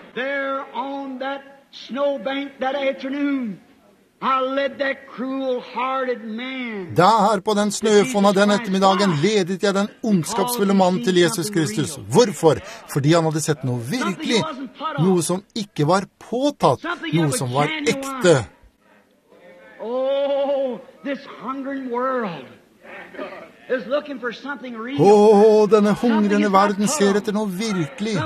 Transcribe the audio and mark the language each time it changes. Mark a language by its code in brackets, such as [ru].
[en] There on that snowbank that afternoon. I led that cruel-hearted man. [no] Der på den snøfonna den ettermiddagen ledet jeg den ondskapsfulle mannen til Jesus Kristus. Hvorfor? Fordi han hadde sett noe virkelig. Noe som ikke var påtatt. Noe som var ekte. [en] Oh, this hungering world is looking for something real. [no] Oh, denne hungrende verden ser etter noe virkelig.